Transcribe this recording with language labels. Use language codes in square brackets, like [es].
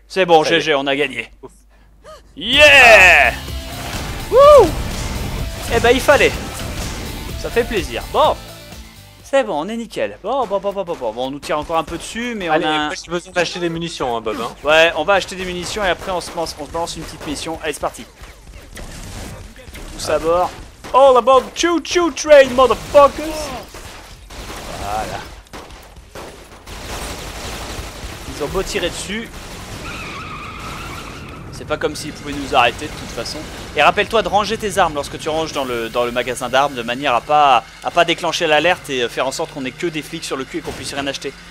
[fr] C'est bon, ça GG, on a gagné. Ouf. Yeah! Wouh! Eh ben, il fallait. Ça fait plaisir. Bon, c'est bon, on est nickel. Bon. Bon, on nous tire encore un peu dessus, mais allez, on a... Allez, j'ai besoin d'acheter des munitions, hein, Bob. Hein. Ouais, on va acheter des munitions et après on se balance une petite mission. Allez, c'est parti. Tous à bord. [en] All about choo-choo train, motherfuckers! [fr] Voilà. Ils ont beau tirer dessus. C'est pas comme s'ils pouvaient nous arrêter de toute façon. Et rappelle-toi de ranger tes armes lorsque tu ranges dans le magasin d'armes, de manière à pas déclencher l'alerte et faire en sorte qu'on ait que des flics sur le cul et qu'on puisse rien acheter.